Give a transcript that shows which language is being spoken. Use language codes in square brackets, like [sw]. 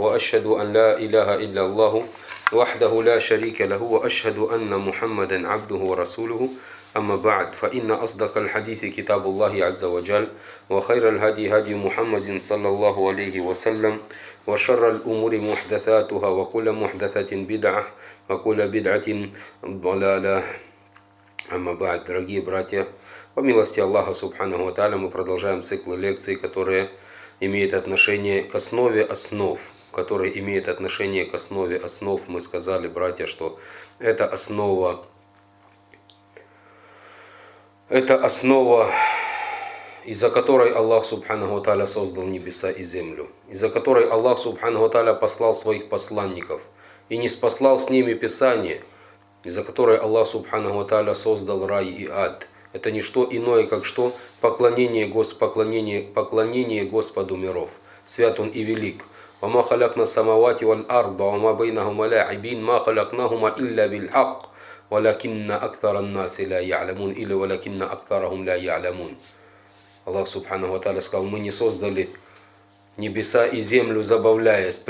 [ar] وأشهد أن لا إله إلا الله وحده لا شريك له وأشهد أن محمدا عبده ورسوله. أما بعد، فإن أصدق الحديث كتاب الله عز وجل، وخير الهدي هدي محمد صلى الله عليه وسلم، وشر الأمور محدثاتها، وكل محدثة بدعة، وكل بدعة ضلالة. أما بعد، [ru] дорогие братья, по милости Аллаха Субханаху ва Тааля, мы продолжаем цикл лекций, которые имеют отношение к основе основ. Которые имеют отношение к основе основ. Мы сказали, братья, что это основа. Это основа, из-за которой Аллах Субханаху ва Тааля создал небеса и землю. Из-за которой Аллах Субханаху ва Тааля послал своих посланников и ниспослал с ними Писание. Из-за которой Аллах Субханаху ва Тааля создал рай и ад. Это не что иное, как что поклонение, поклонение Господу миров. Свят Он и велик. [ar] وما خلقنا السماوات والأرض وما بينهما لاعبين ما خلقناهما إلا بالحق ولكن أكثر الناس لا يعلمون إلا ولكن أكثرهم لا يعلمون. [ru] Аллах Субханаху ва Тааля сказал: мы не создали небеса и землю забавляясь.